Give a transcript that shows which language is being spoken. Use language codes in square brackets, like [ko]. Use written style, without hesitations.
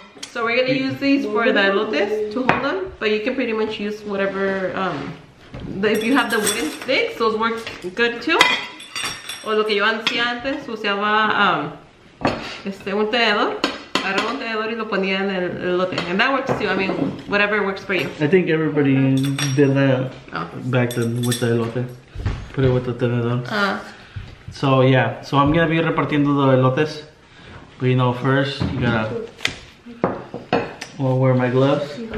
[en] So we're gonna use these for the elotes to hold them, but you can pretty much use whatever. If you have the wooden sticks, those work good too. [es] O lo que yo hacía antes, usaba un tenedor. Agarraba un tenedor y lo ponía en el elote. [en] And that works too. I mean, whatever works for you. I think everybody did that back then with the elote. Put it with the tenedor. So yeah, so I'm gonna be repartiendo the elotes. But you know, first you gotta... I'll wear my gloves.